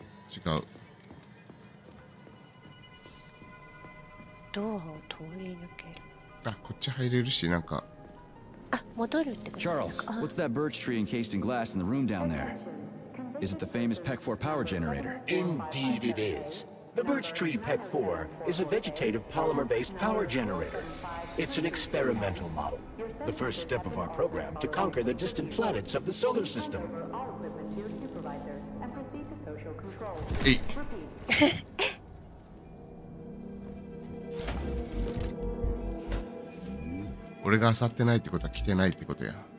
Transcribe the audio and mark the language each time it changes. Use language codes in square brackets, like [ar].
[ja] 違う、ドアを通り抜ける、あ、こっち入れるし、なんか、あ、戻るってことですか。 [en] Charles, what's that birch tree encased in glass in the room down there? Is it the famous PEC-4 power generator? Indeed it isThe birch tree PEC-4 is a vegetative polymer-based power generator. It's an experimental model. The first step of our program to conquer the distant planets of the solar system. Hey. [ja] Hey. 俺が漁ってないってことは来てないってことや。